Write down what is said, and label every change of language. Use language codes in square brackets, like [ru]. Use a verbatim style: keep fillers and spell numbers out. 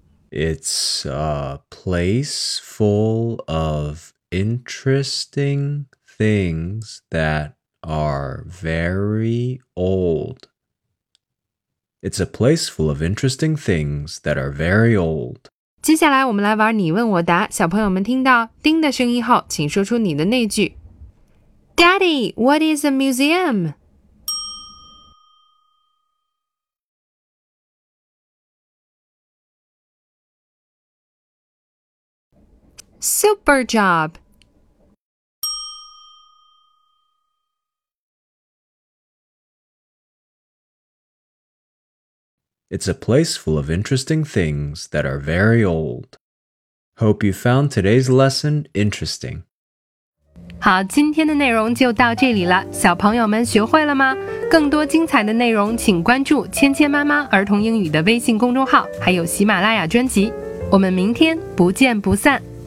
[en] It's a place full of interesting things that are very old. It's a place full of interesting things that are very old. [zh] 接下来我们来玩你问我答，小朋友们听到叮的声音后，请说出你的那句 [en] Daddy, what is a museum? Super job! It's a place full of interesting things that are very old. Hope you found today's lesson interesting. [zh] 好，今天的内容就到这里了，小朋友们学会了吗？更多精彩的内容，请关注芊芊妈妈儿童英语的微信公众号，还有喜马拉雅专辑。我们明天不见不散。